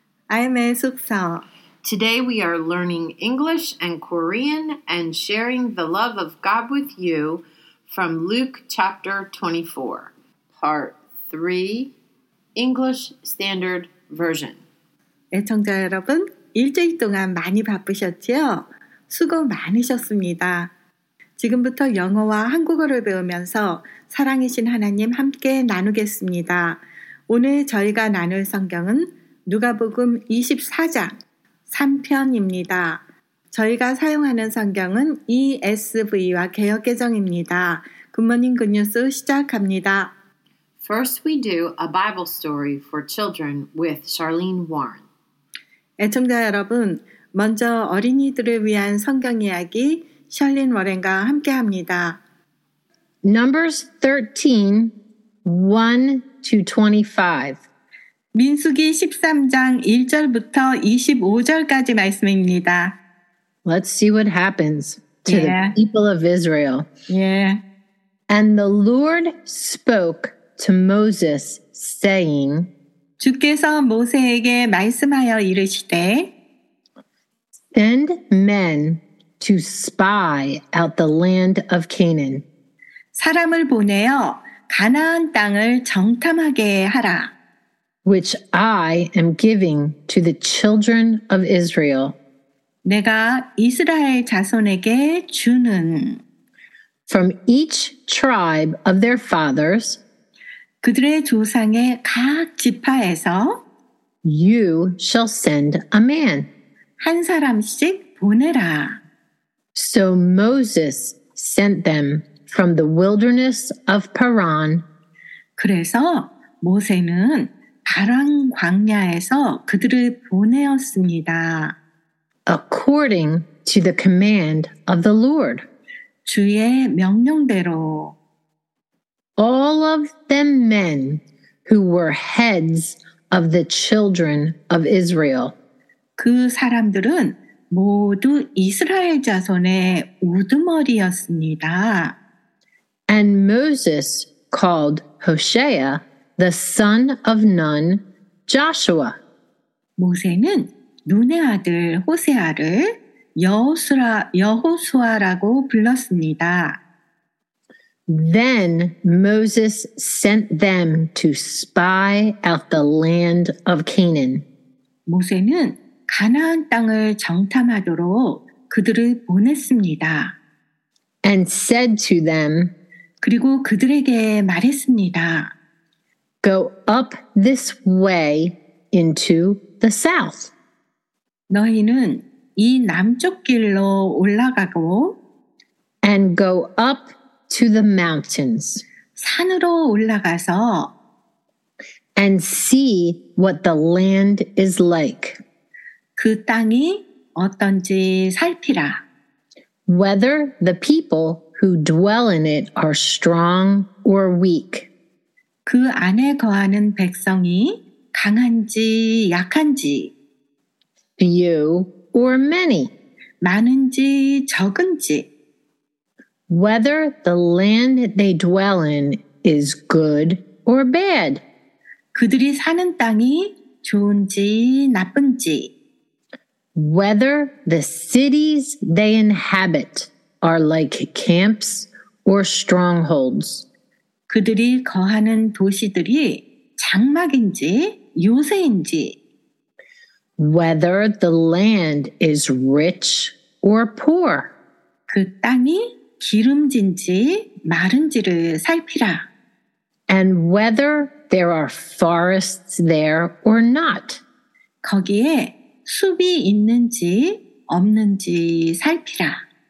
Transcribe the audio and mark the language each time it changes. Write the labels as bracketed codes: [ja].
[en] I am Aesuk-sang. Today we are learning English and Korean and sharing the love of God with you from Luke chapter 24, part 3, English Standard Version. [ko] 애청자 여러분, 일주일 동안 많이 바쁘셨죠? 수고 많으셨습니다. 지금부터 영어와 한국어를 배우면서 사랑이신 하나님 함께 나누겠습니다. 오늘 저희가 나눌 성경은 누가복음 24장 3편입니다. 저희가 사용하는 성경은 ESV와 개역개정입니다. 굿모닝 굿뉴스 시작합니다. [en] First we do a Bible story for children with Charlene Warren. [ko] 애청자 여러분, 먼저 어린이들을 위한 성경 이야기 샬린 워렌과 함께 합니다. [en] Numbers 13, 1 to 25. [ko] 민수기 13장 1절부터 25절까지 말씀입니다. [en] Let's see what happens to the people of Israel. Yeah. And the Lord spoke to Moses, saying, [ko] 주께서 모세에게 말씀하여 이르시되, [en] Send men to spy out the land of Canaan. [ko] 사람을 보내어 가나안 땅을 정탐하게 하라. [en] Which I am giving to the children of Israel. [ko] 내가 이스라엘 자손에게 주는. [en] From each tribe of their fathers. [ko] 그들의 조상의 각 지파에서. [en] You shall send a man. [ko] 한 사람씩 보내라. [en] So Moses sent them from the wilderness of Paran. [ko] 그래서 모세는 파란 광야에서 그들을 보내었습니다. [en] According to the command of the Lord. [ko] 주의 명령대로. [en] All of them men who were heads of the children of Israel. [ko] 그 사람들은 모두 이스라엘 자손의 우두머리였습니다. [en] And Moses called Hoshea, the son of Nun, Joshua. [ko] 모세는 눈의 아들 호세아를 여호수아라고 불렀습니다. [en] Then Moses sent them to spy out the land of Canaan. [ko] 모세는 가나안 땅을 정탐하도록 그들을 보냈습니다. [en] And said to them, [ko] 그리고 그들에게 말했습니다. [en] Go up this way into the south. [ko] 너희는 이 남쪽 길로 올라가고 [en] And go up to the mountains. [ko] 산으로 올라가서 [en] And see what the land is like. [ko] 그 땅이 어떤지 살피라. [en] Whether the people who dwell in it are strong or weak. [ko] 그 안에 거하는 백성이 강한지 약한지. [en] Few or many. [ko] 많은지 적은지. [en] Whether the land they dwell in is good or bad. [ko] 그들이 사는 땅이 좋은지 나쁜지. [en] Whether the cities they inhabit are like camps or strongholds. [ko] 그들이 거하는 도시들이 장막인지 요새인지. [en] Whether the land is rich or poor. [ko] 그 땅이 기름진지 마른지를 살피라. [en] And whether there are forests there or not. [ko] 거기에 숲이 있는지 없는지 살피라.